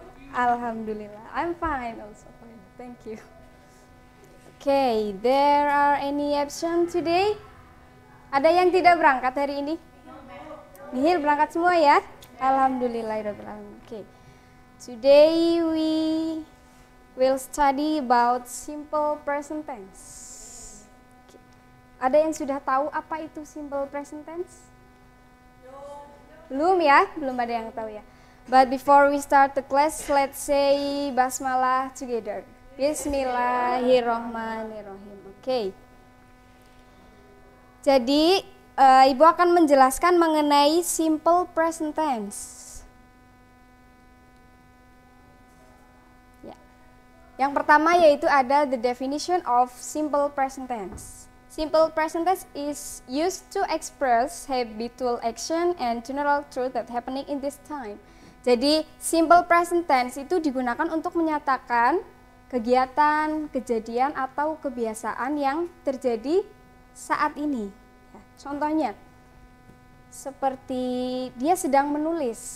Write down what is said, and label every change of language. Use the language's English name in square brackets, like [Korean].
[English] I'm fine. I'm fine also. Thank you. Okay, there are any absent today? [Indonesian] Ada yang tidak berangkat hari ini? Nihil berangkat semua ya? Alhamdulillah. Okay. [English] Today we will study about simple present tense. [Indonesian] Ada yang sudah tahu apa itu simple present tense? Belum ya, belum ada yang tahu ya. [English] But before we start the class, let's say basmalah together. [Arabic] Bismillahirrahmanirrahim. Okay. [Indonesian] Jadi, Ibu akan menjelaskan mengenai simple present tense. Ya. Yang pertama yaitu ada [English] the definition of simple present tense. Simple present tense is used to express habitual action and general truth that happening in this time. [Indonesian] Jadi, simple present tense itu digunakan untuk menyatakan kegiatan, kejadian, atau kebiasaan yang terjadi saat ini. Contohnya, seperti dia sedang menulis.